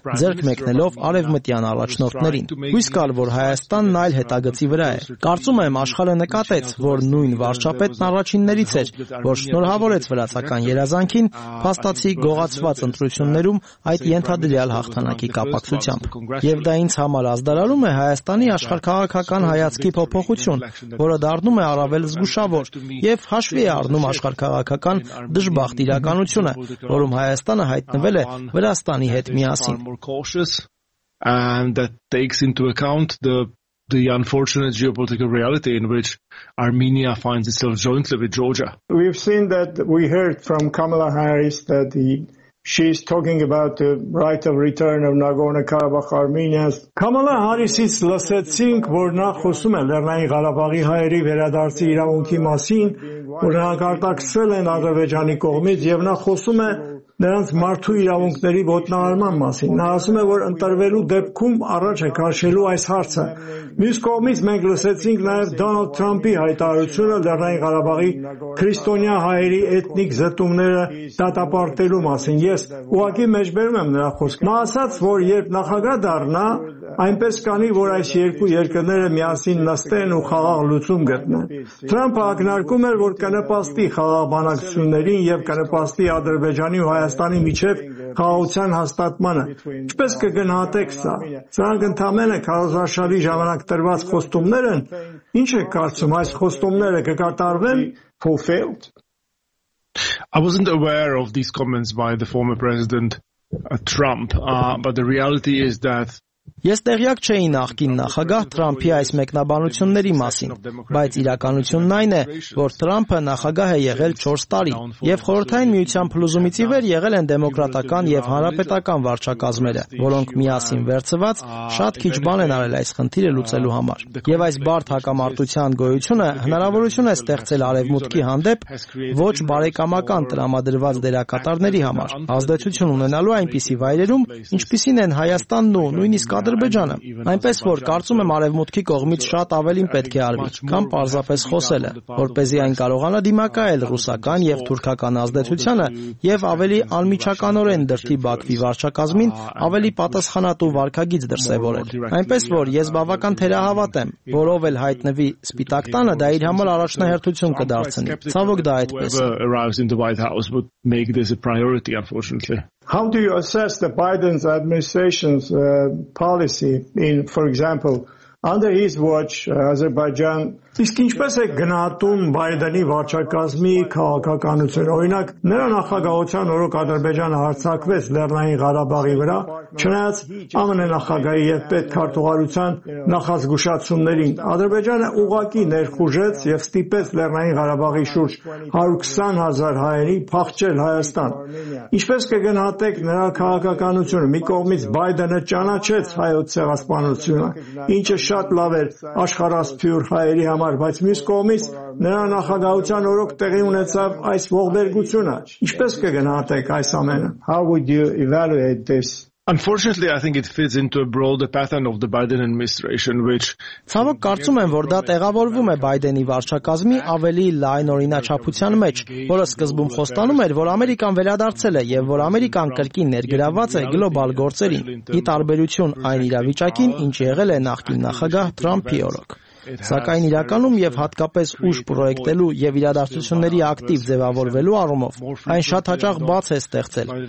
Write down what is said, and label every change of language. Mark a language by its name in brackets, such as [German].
[Armenian] ձեռք մեկնելով արևմտյան առաջնորդներին։ Հույս կար, որ Հայաստանն այլ հետագծի վրա է։ Կարծում եմ, աշխարհը նկատեց, որ նույն վարչապետն առաջիններից էր, որ շնորհավորեց վրացական երազանքին փաստացի գողացված ընտրություններում այդ ենթադրյալ հաղթանակի կապակցությամբ, եւ դա ինձ համար ազդարարում է Հայաստանի աշխարհքաղաքական հայացքի փոփոխություն, որը դառնում է առավել զգուշավոր եւ հաշվի է առնում աշխարհքաղաքական դժբախտ իրականությունը, որում Հայաստանը հայտնվել է Վրաստանի հետ միասին, [English] and that takes into account the unfortunate geopolitical reality in which Armenia finds itself jointly with Georgia. We've seen that, we heard from Kamala Harris that she's talking about the right of return of Nagorno-Karabakh Armenians. [Armenian] Kamala Harris-ից լսեցինք, որ նա խոսում է Լեռնային Ղարաբաղի հայերի վերադարձի իրավունքի մասին, որ հակարտակցվել են Ադրբեջանի կողմից, եւ նա խոսում է նրանց մարդու իրավունքների ոտնահարման մասին։ Նա ասում է, որ ընտրվելու դեպքում առաջ է քաշելու այս հարցը։ Մյուս կողմից մենք լսեցինք նաև Դոնալդ Թրամփի հայտարարությունը Լեռնային Ղարաբաղի քրիստոնյա հայերի էթնիկ զտումները դատապարտելու մասին։ Ես ուղղակի մեջբերում եմ նրա խոսքը։ Նա ասաց, որ երբ նախագահ դառնա, այնպես կանի, որ այս երկու երկրները միասին նստեն ու խաղաղ լուծում գտնեն։ Թրամփը ակնարկում էր, որ կնպաստի խաղաղբանակցություններին եւ կնպաստի Ադրբեջանի ու Հայաստանի միջև խաղաղության հաստատմանը։ Ինչպես կգնահատեք սա։ Սրանք ընդամենը քարոզարշավի ժամանակ տրված խոստումներ են։ Ինչ եք կարծում, այս խոստումները կկատարվեն [English] fulfilled? I wasn't aware of these comments by the former president Trump, but the reality is that [Armenian] ես տեղյակ չէի նախկին նախագահ Թրամփի այս մեկնաբանությունների մասին, բայց իրականությունն այն է, որ Թրամփը նախագահ է եղել 4 տարի, եւ խորհրդային միության փլուզումից ի վեր եղել են դեմոկրատական եւ հանրապետական վարչակազմերը, որոնք միասին վերցված շատ քիչ բան են արել այս խնդիրը լուծելու համար։ Եվ այս բարդ հակամարտության գոյությունը հնարավորություն է ստեղծել արևմուտքի հանդեպ ոչ բարեկամական տրամադրված դերակատարների համար ազդեցություն ունենալու այնպիսի վայրերում, ինչպիսին են Հայաստանն ու նույնիսկ Ադրբեջանը, այնպես որ կարծում եմ արևմուտքի կողմից շատ ավելին պետք է արվի, քան պարզապես խոսելը, որպեսզի այն կարողանա դիմակայել ռուսական եւ թուրքական ազդեցությանը եւ ավելի անմիջականորեն դրդի Բաքվի վարչակազմին ավելի պատասխանատու վարքագիծ դրսեւորել։ Այնպես որ ես բավական թերահավատ եմ, որ ով էլ հայտնվի Սպիտակ տանը, դա իր համար առաջնահերթություն կդարձնի։ Ցավոք դա այդպես է։ [English] How do you assess the Biden's administration's policy in, for example, Under his watch, Azerbaijan. [Armenian] Իսկ ինչպես է գնահատում Բայդենի վարչակազմի քաղաքականությունը։ Օրինակ, նրա նախագահության օրոք Ադրբեջանը հարձակվեց Լեռնային Ղարաբաղի վրա, չնայած ԱՄՆ նախագահի եւ պետքարտուղարության նախազգուշացումներին։ Ադրբեջանը ուղղակի ներխուժեց եւ ստիպեց Լեռնային Ղարաբաղի շուրջ 120,000 հայերի փախչել Հայաստան։ Ինչպես կգնահատեք նրա քաղաքականությունը, մի կողմից Բայդենը ճանաչեց հայոց ցեղասպանությունը, ինչը շատ լավ էր աշխարհասփյուր հայերի համար, բայց մյուս կողմից նրա նախագահության օրոք տեղի ունեցավ այս ողբերգությունը։ Ինչպես կգնահատեք այս ամենը? [English] How would you evaluate this? Unfortunately, I think it fits into a broader pattern of the Biden administration, which. [Armenian] Ցավոք կարծում եմ, որ դա տեղավորվում է Բայդենի վարչակազմի ավելի լայն օրինաչափության մեջ, որը սկզբում խոստանում էր, որ Ամերիկան վերադարձել է եւ որ Ամերիկան կրկին ներգրաված է գլոբալ գործերին, ի տարբերություն այն իրավիճակին, ինչ եղել է նախկին նախագահ Թրամփի օրոք։ Սակայն իրականում եւ հատկապես ուշ պրոյեկտելու եւ իրադարձությունների ակտիվ ձևավորվելու առումով այն շատ հաճախ բաց է ստեղծել,